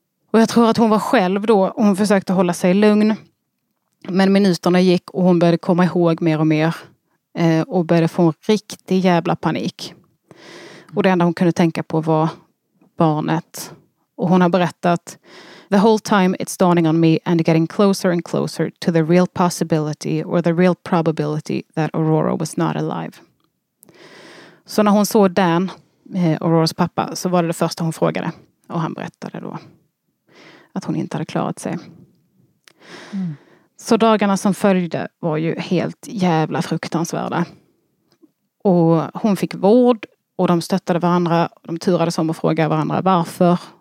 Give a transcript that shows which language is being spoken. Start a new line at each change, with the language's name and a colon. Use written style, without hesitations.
Swedish: Och jag tror att hon var själv då, hon försökte hålla sig lugn. Men minuterna gick och hon började komma ihåg mer och mer. Och började få en riktig jävla panik. Och det enda hon kunde tänka på var barnet. Och hon har berättat,
English: the whole time it's dawning on me and getting closer and closer to the real possibility or the real probability that Aurora was not alive.
Swedish: Så när hon såg Dan, Auroras pappa, så var det det första hon frågade. Och han berättade då att hon inte hade klarat sig. Mm. Så dagarna som följde var ju helt jävla fruktansvärda. Och hon fick vård och de stöttade varandra. De turades om att fråga varandra varför.